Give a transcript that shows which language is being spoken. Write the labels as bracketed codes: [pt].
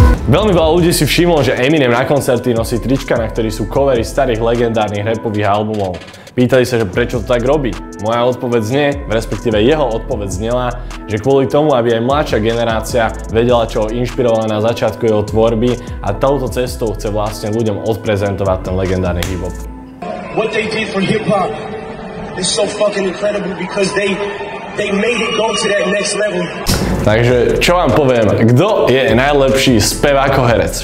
[sk] Veľmi veľa ľudí si všimlo, že Eminem na koncerty nosí trička, na ktorých sú covery starých legendárnych rapových albumov. Pýtali sa, že prečo to tak robí. Moja odpoveď znie, respektíve jeho odpoveď znela, že kvôli tomu, aby aj mladšia generácia vedela, čo ho inšpirovala na začiatku jeho tvorby a touto cestou chce vlastne ľuďom odprezentovať ten legendárny hip-hop. [en] What they did for hip-hop is so fucking incredible because they made it go to that next level. [sk] Takže, čo vám poviem, kto je najlepší spevákoherec?